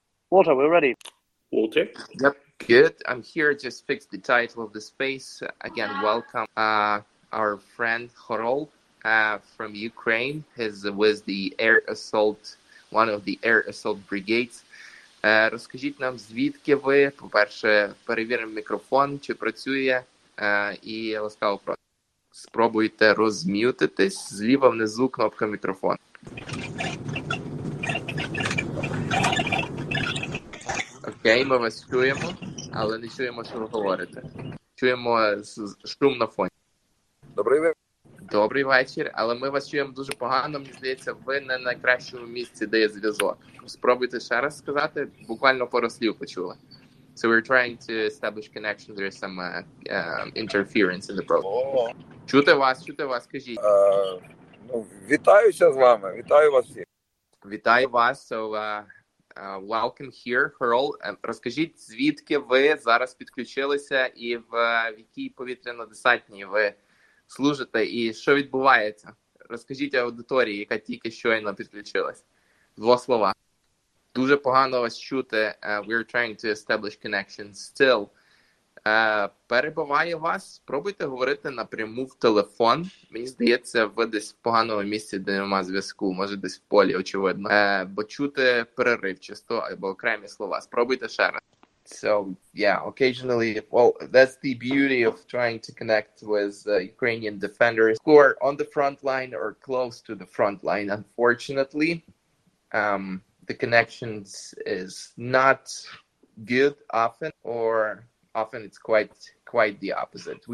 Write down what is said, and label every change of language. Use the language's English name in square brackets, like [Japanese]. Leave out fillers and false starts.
[English] Walter, we're ready. Walter? Yep, good. I'm here, just fixed the title of the space. Again, welcome our friend Horol from Ukraine. He's with the air assault, one of the air assault brigades. [Ukrainian] Розкажіть нам, звідки ви, по-перше, перевіримо мікрофон, чи працює, і ласкаво просто спробуйте розм'ютитись. Зліва внизу кнопка мікрофон. Окей, ми вас чуємо, але не чуємо, що ви говорите. Чуємо шум на фоні. Добрий вечір. Добрий вечір, але ми вас чуємо дуже погано, мені здається, ви не на найкращому місці, де є зв'язок. Спробуйте ще раз сказати, буквально пару слів почули. [English] So we're trying to establish connection, there's some interference in the program. [Ukrainian] Чути вас, кажіть. Вітаюся з вами, вітаю вас всіх. Вітаю вас, [English] so welcome here, Harold. [Ukrainian] Розкажіть, звідки ви зараз підключилися і в якій повітряно-десантній ви служите, і що відбувається? Розкажіть аудиторії, яка тільки щойно підключилась. Два слова. Дуже погано вас чути. [English] We're trying to establish connections still. [Ukrainian] Перебуває вас. Спробуйте говорити напряму в телефон. Мені здається, ви десь в поганому місці, де нема зв'язку. Може, десь в полі, очевидно. Бо чути переривчасто або окремі слова. Спробуйте ще раз. [English] So, yeah, occasionally, well, that's the beauty of trying to connect with Ukrainian defenders who are on the front line or close to the front line. Unfortunately, the connections is not good often, or often it's quite the opposite.